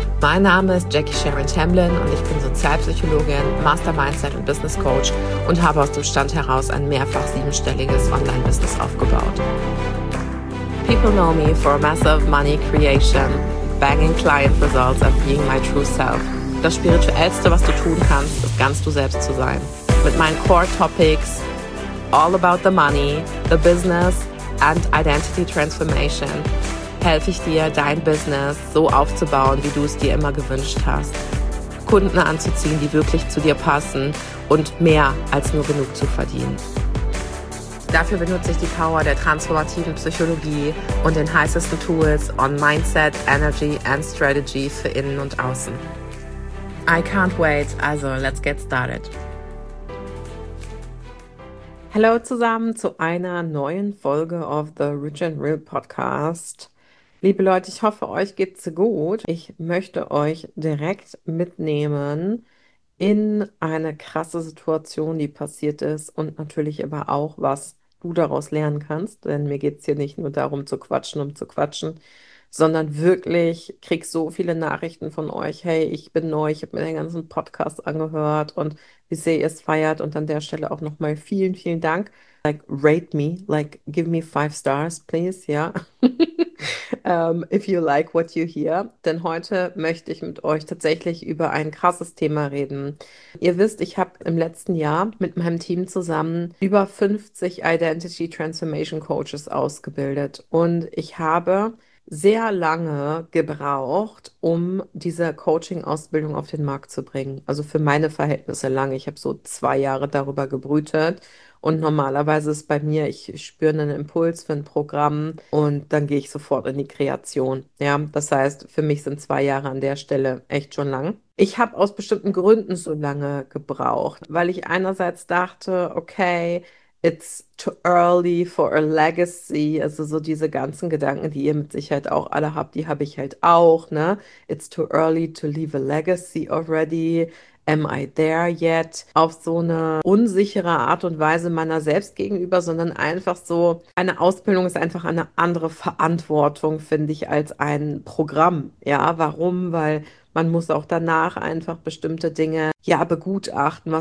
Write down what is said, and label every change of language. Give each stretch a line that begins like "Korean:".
German: Mein Name ist Jackie Sharon Tamblyn und ich bin Sozialpsychologin, Master-Mindset- und Business-Coach und habe aus dem Stand heraus ein mehrfach siebenstelliges Online-Business aufgebaut.
English: People know me for massive money creation, banging client results and being my true self.
German: Das Spirituellste, was du tun kannst, ist ganz du selbst zu sein. Mit meinen Core-Topics,
English: all about the money, the business and identity transformation,
German: helfe ich dir, dein Business so aufzubauen, wie du es dir immer gewünscht hast. Kunden anzuziehen, die wirklich zu dir passen und mehr als nur genug zu verdienen. Dafür benutze ich die Power der transformativen Psychologie und den heißesten Tools
English: on Mindset, Energy and Strategy
German: für innen und außen.
English: I can't wait, also let's get started.
German: Hallo zusammen zu einer neuen Folge
English: of the Rich and Real Podcast.
German: Liebe Leute, ich hoffe, euch geht's gut. Ich möchte euch direkt mitnehmen in eine krasse Situation, die passiert ist und natürlich aber auch, was du daraus lernen kannst. Denn mir geht's hier nicht nur darum zu quatschen, um zu quatschen, sondern wirklich krieg so viele Nachrichten von euch. Hey, ich bin neu, ich habe mir den ganzen Podcast angehört und wie sehr ihr es feiert. Und an der Stelle auch nochmal vielen, vielen Dank.
English: Like, rate me, like, give me 5 stars, please, yeah. if you like what you hear.
German: Denn heute möchte ich mit euch tatsächlich über ein krasses Thema reden. Ihr wisst, ich habe im letzten Jahr mit meinem Team zusammen über 50 Identity Transformation Coaches ausgebildet. Und ich habe sehr lange gebraucht, um diese Coaching-Ausbildung auf den Markt zu bringen. Also für meine Verhältnisse lange. Ich habe so 2 Jahre darüber gebrütet. Und normalerweise ist bei mir, ich spüre einen Impuls für ein Programm und dann gehe ich sofort in die Kreation. Ja, das heißt, für mich sind 2 Jahre an der Stelle echt schon lang. Ich habe aus bestimmten Gründen so lange gebraucht, weil ich einerseits dachte, okay,
English: it's too early for a legacy.
German: Also so diese ganzen Gedanken, die ihr mit Sicherheit auch alle habt, die habe ich halt auch, ne?
English: It's too early to leave a legacy already. Am I there yet?
German: Auf so eine unsichere Art und Weise meiner selbst gegenüber, sondern einfach so, eine Ausbildung ist einfach eine andere Verantwortung, finde ich, als ein Programm. Ja, warum? Weil man muss auch danach einfach bestimmte Dinge ja begutachten.